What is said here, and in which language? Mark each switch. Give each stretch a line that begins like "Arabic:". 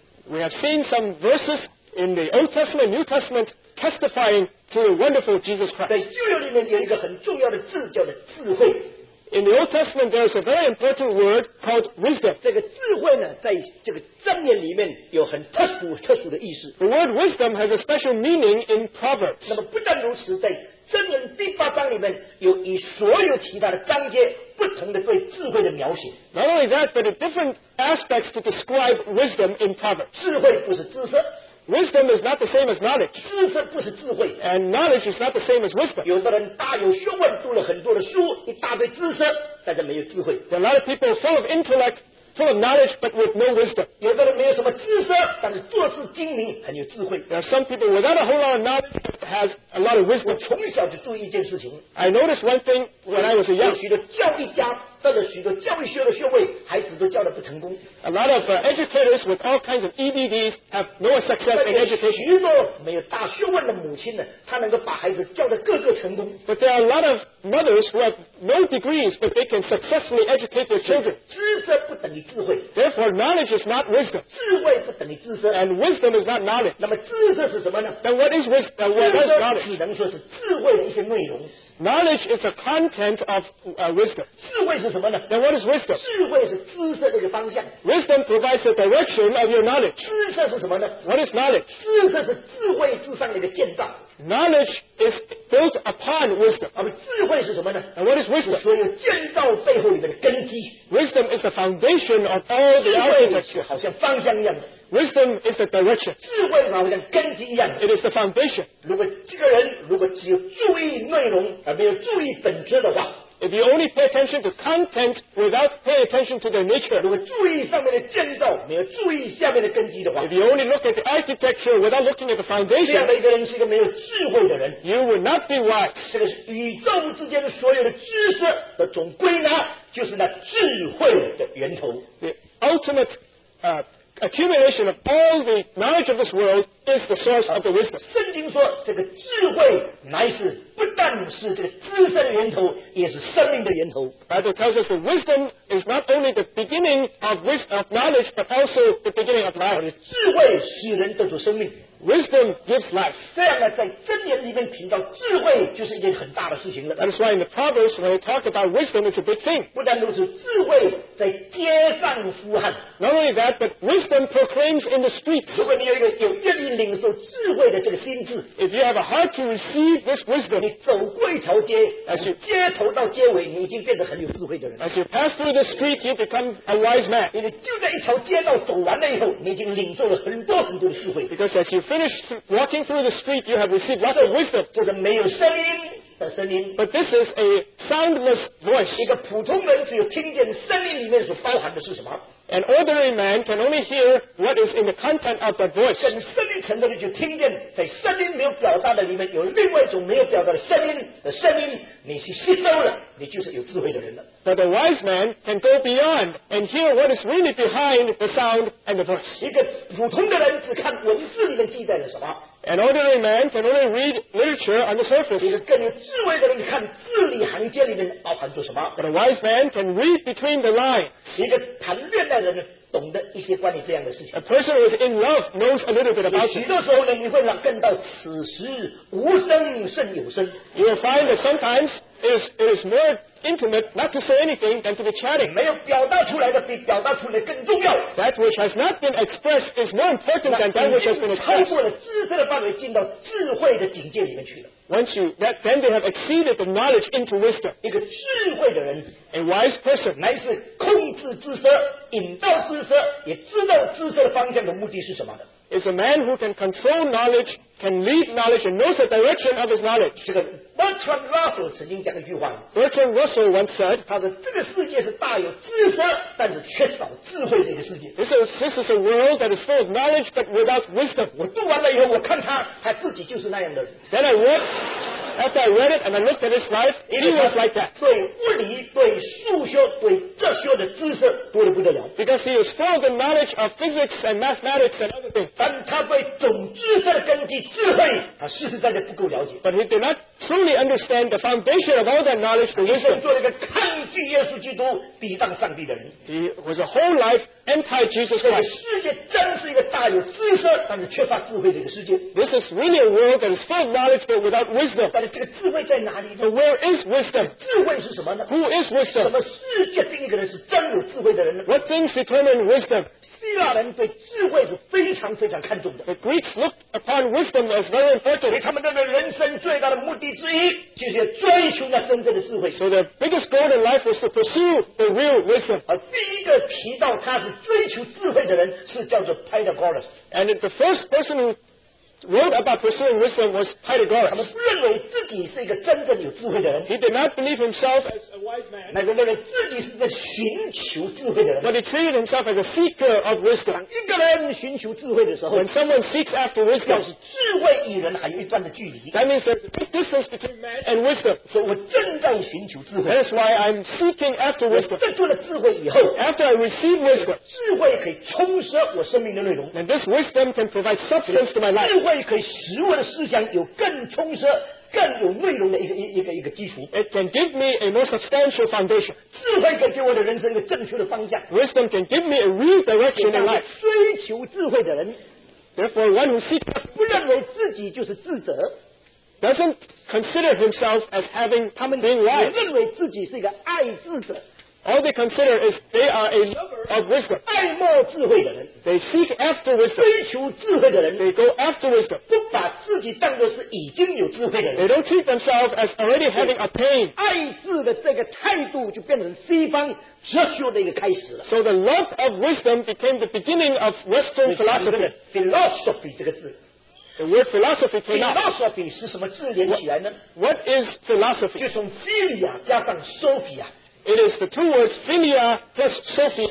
English: We have seen some verses in the Old Testament, New Testament, testifying to the wonderful Jesus Christ. In the Old Testament, there is a very important word called wisdom.
Chinese: 这个智慧呢,
English: the word wisdom has a special meaning in Proverbs.
Chinese: 那么不但如此, 箴言第八章里面有以所有其他的章节不同的对智慧的描写。
English: Not only that, but in different aspects to describe wisdom in Proverbs.
Chinese: 智慧不是知识。
English: Wisdom is not the same as knowledge. And knowledge is not the same as wisdom. There are a lot of people full of intellect, full of knowledge, but with no wisdom. There are some people without a whole lot of knowledge, but has a lot of wisdom.
Chinese: 我从小就注意一件事情。
English: I noticed one thing when I was a young.
Chinese: 许多教育家得了许多教育学的学位，孩子都教得不成功。
English: A lot of educators with all kinds of EDDs have no success in education.
Chinese: 许多没有大学问的母亲呢，她能够把孩子教得各个成功。
English: But there are a lot of mothers who have no degrees, but they can successfully educate their children.
Chinese: 知识不等于智慧。
English: Therefore, knowledge is not wisdom.
Chinese: 智慧不等于知识。
English: And wisdom is not knowledge.
Chinese: 那么知识是什么呢？
English: Then what is wisdom? What is knowledge?
Chinese: 只能说是智慧的一些内容。
English: Knowledge is the content of wisdom.
Chinese: 智慧是什么呢？
English: Then what is wisdom?
Chinese: 智慧是知识的一个方向。
English: Wisdom provides the direction of your knowledge.
Chinese: 知识是什么呢？
English: What is knowledge?
Chinese: 知识是智慧之上的一个建造。
English: Knowledge is built upon wisdom.
Chinese: 而智慧是什么呢？
English: And what is wisdom?
Chinese: 是所有建造背后里面的根基。
English: Wisdom is the foundation of all the architecture.
Chinese: 智慧好像方向一样的。
English: Wisdom is the direction.
Chinese: 智慧好像根基一样的。
English: It is the foundation.
Chinese: 如果这个人如果只有注意内容而没有注意本质的话。
English: If you only pay attention to content without pay attention to their nature.
Chinese: 如果注意上面的建造没有注意下面的根基的话。
English: If you only look at the architecture without looking at the foundation.
Chinese: 这样的一个人是一个没有智慧的人。
English: You will not be wise.
Chinese: 这个宇宙之间的所有的知识的总归纳就是那智慧的源头。
English: The ultimate accumulation of all the knowledge of this world is the source of the wisdom.
Chinese: 圣经说这个智慧乃是不但是这个知识的源头，也是生命的源头。
English: Bible tells us that wisdom is not only the beginning of wisdom, of knowledge, but also the beginning of life.
Chinese: 智慧使人得出生命。
English: Wisdom gives life.
Chinese: 这样呢，在箴言里面评到智慧就是一件很大的事情了。
English: That is why in the Proverbs when we talk about wisdom, it's a big thing.
Chinese: 不但如此，智慧在街上呼喊。
English: Not only that, but wisdom proclaims in the streets.
Chinese: 如果你有一个有愿意领受智慧的这个心智
English: ，If you have a heart to receive this wisdom,
Chinese: 你走过一条街，街头到街尾，你已经变得很有智慧的人。
English: As you pass through the street, you become a wise man.
Chinese: 因为就在一条街道走完了以后，你已经领受了很多很多的智慧。
English: Because as you finish walking through the street, you have received lots of wisdom.
Chinese: 这是没有声音的声音。
English: But this is a soundless voice.
Chinese: 一个普通人只有听见声音里面所包含的是什么？
English: An ordinary man can only hear what is in the content of that voice.
Chinese: 更深一层的人就听见，在声音没有表达的里面有另外一种没有表达的声音的声音，你去吸收了，你就是有智慧的人了。
English: But a wise man can go beyond and hear what is really behind the sound and the voice.
Chinese: 一个普通的人只看文字里面记载了什么。
English: An ordinary man can only read literature on the surface.
Chinese: 一个更有智慧的人看字里行间里面包含着什么。
English: But a wise man can read between the lines.
Chinese: 一个谈恋爱的人懂得一些关于这样的事情。
English: A person who is in love knows a little bit about it.
Chinese: 许多时候呢，你会感到此时无声胜有声。
English: You will find that sometimes it is more intimate not to say anything than to be chatting.
Chinese: 没有表达出来的比表达出来更重要。
English: That which has not been expressed is more important than that which has been expressed.
Chinese: 超过了知识的范围，进到智慧的境界里面去了。
English: Once you, that, then they have exceeded the knowledge into wisdom.
Chinese: 一个智慧的人
English: a wise person,
Chinese: 乃是控制知识，引导知识，也知道知识的方向和目的是什么的。
English: Is a man who can control knowledge, can lead knowledge, and knows the direction of his knowledge.
Chinese: 这个 Bertrand Russell 曾经讲一句话。
English: Bertrand Russell once said,
Chinese: 他说这个世界是大有知识，但是缺少智慧的一个世界。
English: This is a world that is full of knowledge, but without wisdom.
Chinese: 我读完了以后，我看他自己就是那样的人。
English: Then I read, after I read it and I looked at his life, he was like that.
Chinese: 对物理、对数学、对哲学的知识多得不得了。
English: Because he is full of the knowledge of physics and mathematics and other things.
Chinese: 但他对总知识的根基智慧，他实实在在不够了解。
English: But he did not truly understand the foundation of all that knowledge.
Chinese: 一生做了一个抗拒耶稣基督、抵挡上帝的人。
English: He was a whole life anti-Jesus Christ.
Chinese: 这个世界真是一个大有知识，但是缺乏智慧的一个世界。
English: This is really a world that is full of knowledge but without wisdom.
Chinese: 但是这个智慧在哪里呢
English: ？So where is wisdom?
Chinese: 智慧是什么呢
English: ？Who is wisdom?
Chinese: 什么世界定一个人是真有智慧的人呢
English: ？What things determine wisdom?
Chinese: 希腊人对智慧是非常。非常看重的。
English: The Greeks looked upon wisdom as very important.
Chinese: 他们的人生最大的目的之一，就是要追求那真正的智慧。
English: So the biggest goal in life was to pursue the real wisdom.
Chinese: 而第一个提到他是追求智慧的人，是叫做 Pythagoras.
English: And the first person who wrote about pursuing wisdom was Pythagoras.
Chinese: 他们不认为自己是一个真正有智慧的人。
English: He did not believe himself as a wise man.
Chinese: 乃是认为自己是在寻求智慧的人。
English: But he treated himself as a seeker of wisdom.
Chinese: 一个人寻求智慧的时候
English: ，When someone seeks after wisdom,
Chinese: 表示智慧与人还有一段的距离。
English: That means there's a big distance between man and wisdom.
Chinese: 所以我正在寻求智慧。
English: That's why I'm seeking after wisdom.
Chinese: 得到了智慧以后
English: ，After I receive wisdom,
Chinese: 智慧可以充实我生命的内容。
English: And this wisdom can provide substance to my life.
Chinese: 智慧可以使我的思想有更充实、更有内容的一个基础。
English: It can give me a more substantial foundation.
Chinese: 智慧可以给我的人生一个正确的方向。
English: Wisdom can give me a real direction in life.
Chinese: 追求智慧的人
English: ，Therefore, one who seeks
Chinese: 不认为自己就是智者
English: ，doesn't consider himself as having been wise.
Chinese: 认为自己是一个爱智者。
English: All they consider is they are a lover of wisdom.
Chinese: 爱慕智慧的人。
English: They seek after wisdom.
Chinese: 追求智慧的人。
English: They go after wisdom.
Chinese: 不把自己当作是已经有智慧的人。
English: They don't treat themselves as already having attained.
Chinese: 爱智的这个态度就变成西方哲学的一个开始了。
English: So the love of wisdom became the beginning of Western philosophy.
Chinese: Philosophy 这个字。
English: The word philosophy came out.
Chinese: Philosophy 是什么字连起来呢？
English: What is philosophy?
Chinese: 就从 philia 加上 sophia。
English: It is the two words Philia plus Sophia.